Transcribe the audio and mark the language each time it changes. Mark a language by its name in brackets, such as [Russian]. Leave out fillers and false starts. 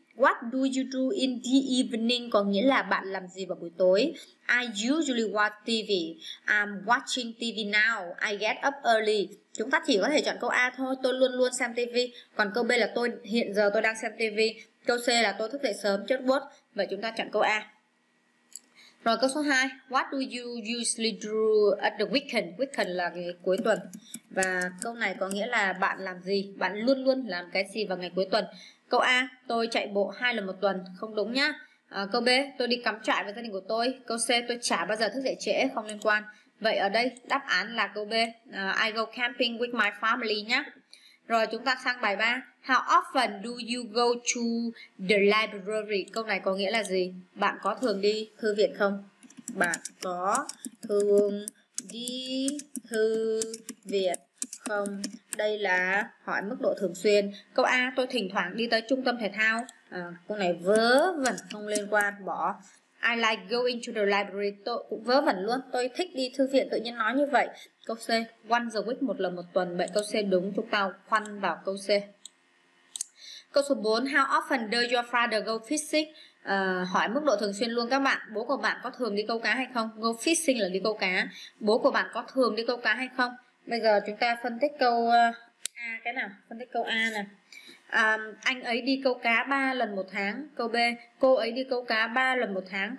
[English] What do you do in the evening? [Vietnamese] Có nghĩa là bạn làm gì vào buổi tối? [English] I usually watch TV. I'm watching TV now. I get up early. [Vietnamese] Chúng ta chỉ có thể chọn câu A thôi. Tôi luôn luôn xem TV. Còn câu B là tôi hiện giờ tôi đang xem TV. Câu C là tôi thức dậy sớm trước bớt. Vậy chúng ta chọn câu A. Rồi câu số 2. [English] What do you usually do at the weekend? [Vietnamese] Weekend là ngày cuối tuần. Và câu này có nghĩa là bạn làm gì? Bạn luôn luôn làm cái gì vào ngày cuối tuần? Câu A, tôi chạy bộ 2 lần một tuần, không đúng nhá. Câu B, tôi đi cắm trại với gia đình của tôi. Câu C, tôi chả bao giờ thức dậy trễ, không liên quan. Vậy ở đây, đáp án là câu B. [English] I go camping with my family [Vietnamese] nhá. Rồi chúng ta sang bài 3. [English] How often do you go to the library? [Vietnamese] Câu này có nghĩa là gì? Bạn có thường đi thư viện không? Bạn có thường đi thư viện không? Đây là hỏi mức độ thường xuyên. Câu A, tôi thỉnh thoảng đi tới trung tâm thể thao. Câu này vớ vẩn, không liên quan, bỏ. [English] I like going to the library. [Vietnamese] Tôi cũng vớ vẩn luôn, tôi thích đi thư viện, tự nhiên nói như vậy. Câu C, [English] once a week, [Vietnamese] một lần một tuần. Vậy câu C đúng, chúng ta khoanh vào câu C. Câu số 4, [English] how often does your father go fishing? [Vietnamese] Hỏi mức độ thường xuyên luôn các bạn. Bố của bạn có thường đi câu cá hay không? Go fishing là đi câu cá. Bố của bạn có thường đi câu cá hay không? Bây giờ chúng ta phân tích câu A cái nào, phân tích câu A nè. Anh ấy đi câu cá 3 lần một tháng. Câu B, cô ấy đi câu cá 3 lần một tháng.